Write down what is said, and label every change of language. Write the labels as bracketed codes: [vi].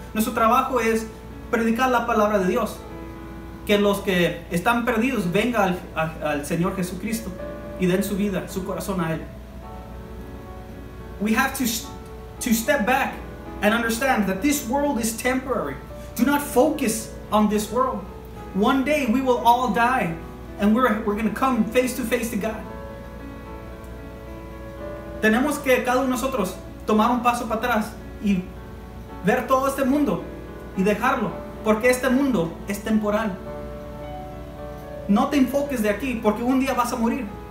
[es] Nuestro trabajo es predicar la palabra de Dios. Que los que están perdidos vengan al Señor Jesucristo y den su vida, su corazón a Él. [en] We have to step back and understand that this world is temporary. Do not focus on this world. One day we will all die. And we're going to come face to face to God. [es] Tenemos que cada uno de nosotros tomar un paso para atrás y ver todo este mundo y dejarlo. Porque este mundo es temporal. No te enfoques de aquí porque un día vas a morir.